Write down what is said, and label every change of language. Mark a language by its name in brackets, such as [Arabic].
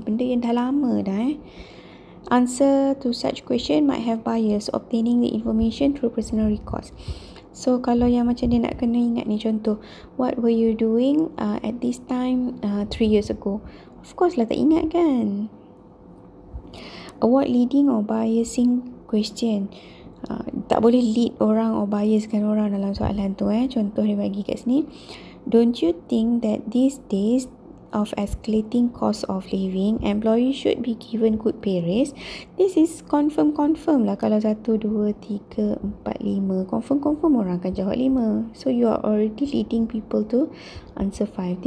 [Malay] Benda yang dah lama dah eh. [English] Answer to such question might have bias obtaining the information through personal recalls. [Malay] So kalau yang macam dia nak kena ingat ni, contoh, [English] what were you doing at this time 3 years ago? Of course lah [Malay] tak ingat kan. [English] Avoid leading or biasing question. [Malay] Tak boleh lead orang or biaskan orang dalam soalan tu eh. Contoh dia bagi kat sini, [English] don't you think that these days of escalating cost of living, employees should be given good pay raise? [Malay] This is confirm-confirm lah. Kalau 1, 2, 3, 4, 5, confirm-confirm orang akan jawab 5. [English] So you are already leading people to answer 5.